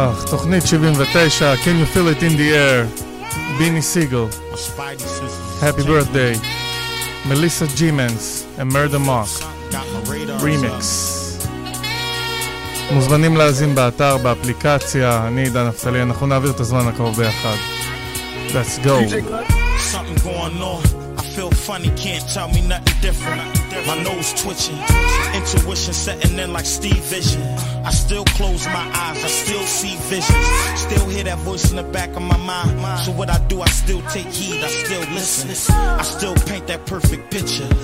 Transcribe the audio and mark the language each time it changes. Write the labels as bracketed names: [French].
[Hebrew] תוכנית 79, Can You Feel It In The Air, ביני סיגל, Happy Birthday, מליסה ג'ימנס, Murder Mock, Remix. מוזמנים להזין באתר, באפליקציה, אני עידן נפתלי, אנחנו נעביר את הזמן הקרוב ביחד. [English] Let's go. Something going on, I feel funny, can't tell me nothing different. My nose twitching, intuition setting in like Steve Vision. I still close my eyes, I still see visions. Still hear that voice in the back of my mind. So what I do, I still take heed, I still listen. I still paint that perfect picture.